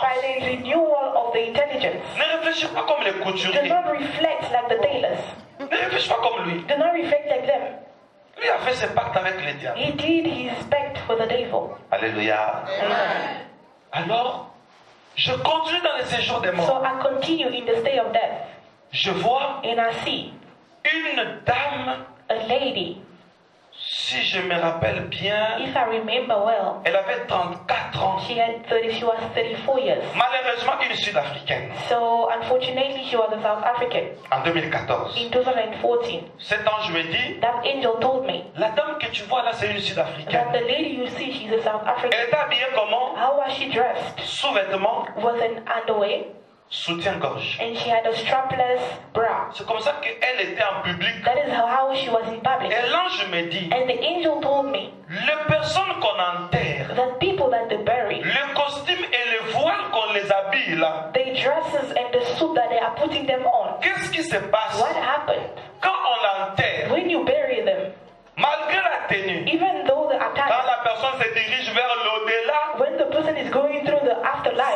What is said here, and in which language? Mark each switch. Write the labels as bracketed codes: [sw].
[en] By the renewal of the intelligence. [fr] Ne réfléchis pas comme les couturiers. [en] Do not reflect like the tailors. [fr] Ne réfléchis pas comme lui. [en] Do not reflect like them. [fr] Lui a fait ses pactes avec le diable. [en] He did his pact with the devil. Alléluia. Amen. [fr] Alors, je continue dans le séjour des morts. [en] So I continue in the stay of death. [fr] Je vois. [en] And I see. [fr] Une dame. [en] A lady. [fr] Si je me rappelle bien. [en] If I remember well. [fr] Elle avait 34 ans. [en] She had 30, she was 34 years. [fr] Malheureusement, une Sud-Africaine. [en] So, unfortunately, she was a South African. [fr] En 2014. [en] In 2014. [fr] Cet ange me dit. [en] That angel told me. [fr] La dame que tu vois là, c'est une Sud-Africaine. [en] That the lady you see, she's a South African. [fr] Elle est habillée comment? [en] How was she dressed? [fr] Sous-vêtements. [en] Was an underwear. [fr] Soutien-gorge. [en] And she had a strapless bra. [fr] C'est comme ça qu'elle était en public. [en] That is how she was in public. [fr] Et l'ange me dit. [en] And the angel told me. [fr] Les personnes qu'on enterre. [en] The people that they bury. [fr] Le costume et le voile qu'on les habille là. [en] The dresses and the suit that they are putting them on. [fr] Qu'est-ce qui se passe? [en] What happened? [fr] Quand on enterre. [en] When you bury them. [fr] Malgré la tenue. [en] Even though the attire. [fr] Quand la personne se dirige vers l'au-delà. [en] When the person is going through the afterlife.